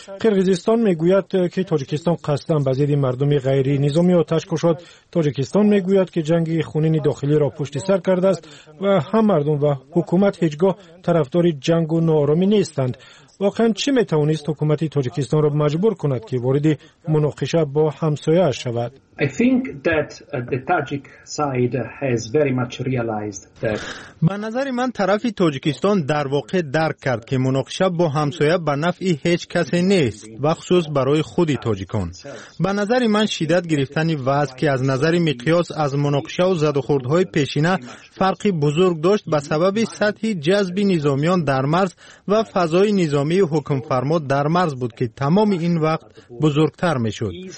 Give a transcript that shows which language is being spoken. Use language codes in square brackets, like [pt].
[fa] قرقیزستان میگوید که تاجیکستان قصدن به ضد مردم غیر نظامی آتش کشاد. تاجیکستان میگوید که جنگ خونین داخلی را پشت سر کرده است و هم مردم و حکومت هیچگاه طرفدار جنگ و نارامی نیستند. واقعا چی میتوانست حکومت تاجیکستان را مجبور کند که وارد مناقشه با همسایه شود؟ [en] I think that the Tajik side has very much realized that [fa] به نظر من طرف تاجیکستان در واقع درک کرد که مناقشه با همسایه به نفع هیچ کسی نیست و خصوص برای خود تاجیکان. به نظر من شدت گرفتن وضع که از نظر مقیاس از مناقشه و زد و خوردهای پیشینه فرقی بزرگ داشت به سبب سطح جذب نظامیان در مرز و فضای نظامی حکم فرما در مرز بود که تمام این وقت بزرگتر میشد.